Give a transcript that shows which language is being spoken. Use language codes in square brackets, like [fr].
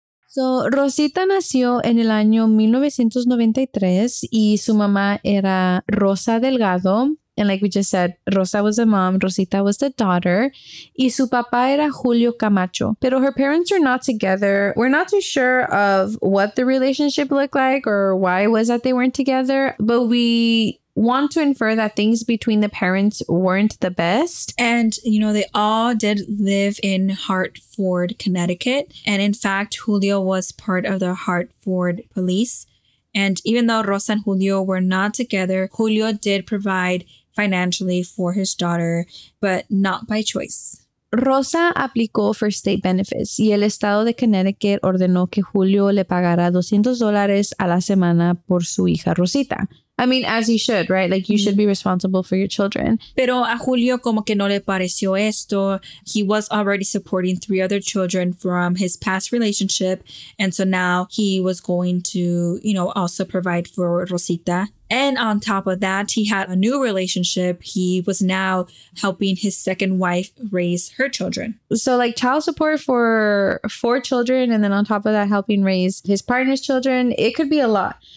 [es] So, Rosita nació en el año 1993 y su mamá era Rosa Delgado. [en] And like we just said, Rosa was the mom, Rosita was the daughter, [es] y su papá era Julio Camacho. Pero [en] her parents are not together. We're not too sure of what the relationship looked like or why it was that they weren't together, but we want to infer that things between the parents weren't the best. And, you know, they all did live in Hartford, Connecticut. And in fact, Julio was part of the Hartford police. And even though Rosa and Julio were not together, Julio did provide financially for his daughter, but not by choice. [es] Rosa aplicó [en] for state benefits [es] y el estado de Connecticut ordenó que Julio le pagara $200 a la semana por su hija Rosita. [en] I mean, as you should, right? Like, you should be responsible for your children. [es] Pero a Julio como que no le pareció esto. [en] He was already supporting three other children from his past relationship. And so now he was going to, you know, also provide for Rosita. And on top of that, he had a new relationship. He was now helping his second wife raise her children. So like child support for four children and then on top of that, helping raise his partner's children. It could be a lot.